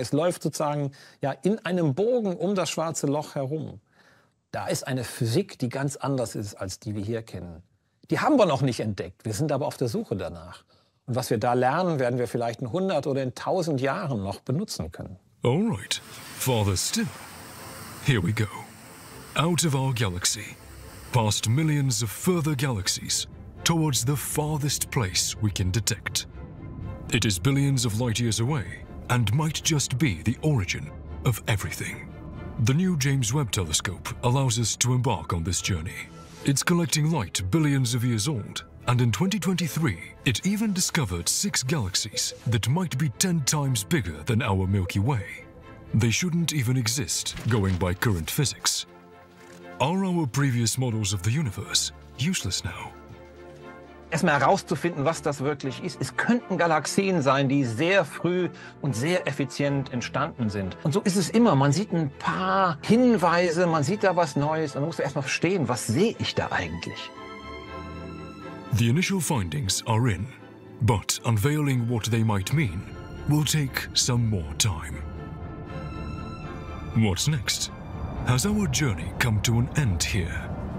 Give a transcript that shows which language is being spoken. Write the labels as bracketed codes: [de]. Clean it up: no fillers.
[de] Es läuft sozusagen ja, in einem Bogen um das schwarze Loch herum. Da ist eine Physik, die ganz anders ist, als die wir hier kennen. Die haben wir noch nicht entdeckt. Wir sind aber auf der Suche danach. Und was wir da lernen, werden wir vielleicht in 100 oder in 1000 Jahren noch benutzen können. [en] All right, farther still. Here we go. Out of our galaxy, past millions of further galaxies, towards the farthest place we can detect. It is billions of light years away and might just be the origin of everything. The new James Webb Telescope allows us to embark on this journey. It's collecting light billions of years old, and in 2023, it even discovered six galaxies that might be 10 times bigger than our Milky Way. They shouldn't even exist, going by current physics. Are our previous models of the universe useless now? [de] Erstmal herauszufinden, was das wirklich ist. Es könnten Galaxien sein, die sehr früh und sehr effizient entstanden sind. Und so ist es immer. Man sieht ein paar Hinweise, man sieht da was Neues. Dann musst du erstmal verstehen, was sehe ich da eigentlich? [en] The initial findings are in, but unveiling what they might mean will take some more time. What's next? Has our journey come to an end here?